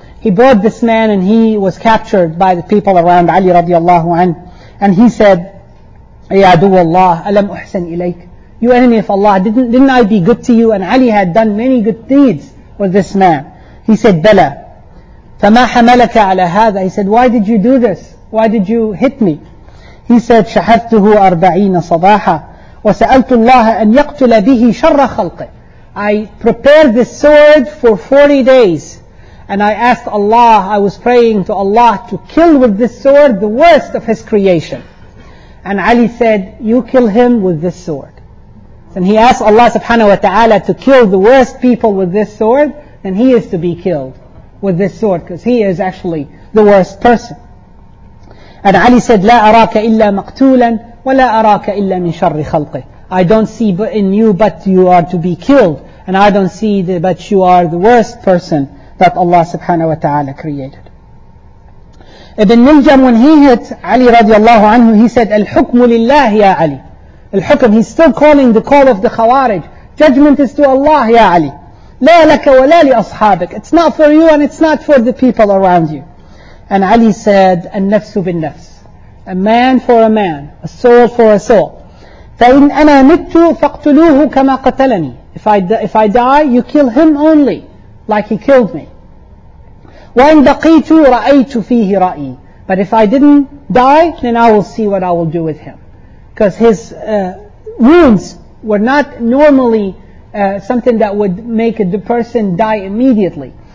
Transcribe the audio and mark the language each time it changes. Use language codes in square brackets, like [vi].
[en] He brought this man, and he was captured by the people around Ali radiallahu anhu. And he said, [ar] Ya Adu Allah, alam uhsan ilayk. [en] You enemy of Allah, didn't I be good to you? And Ali had done many good deeds with this man. He said, [ar] Bala. فَمَا حَمَلَكَ عَلَى هَذَا. [en] He said, why did you do this? Why did you hit me? He said, [ar] شَحَذْتُهُ أَرْبَعِينَ صَبَاحًا وَسَأَلْتُ اللَّهَ أَنْ يَقْتُلَ بِهِ شَرَّ خَلْقِ. [en] I prepared this sword for 40 days. And I asked Allah, I was praying to Allah to kill with this sword the worst of his creation. And Ali said, you kill him with this sword. And he asked Allah subhanahu wa ta'ala to kill the worst people with this sword, then he is to be killed with this sword, because he is actually the worst person. And Ali said, [ar] لا أراك إلا مقتولا ولا أراك إلا من شر خلقه. [en] I don't see in you but you are to be killed, and I don't see but you are the worst person that Allah subhanahu wa ta'ala created. Ibn Miljam, when he hit Ali radiallahu anhu, he said, [ar] الحكم لله يا علي. [en] الحكم, he's still calling the call of the Khawarij. Judgment is to Allah, [ar] يا علي. لا لك ولا لأصحابك. [en] It's not for you and it's not for the people around you. And Ali said, [ar] النفس بالنفس. [en] A man for a man. A soul for a soul. [ar] فإن أنا مت فاقتلوه كما قتلني. [en] If I die, you kill him only, like he killed me. [ar] وإن بقيت رأيت فيه رأيي. [en] But if I didn't die, then I will see what I will do with him. Because his wounds were not normally something that would make the person die immediately.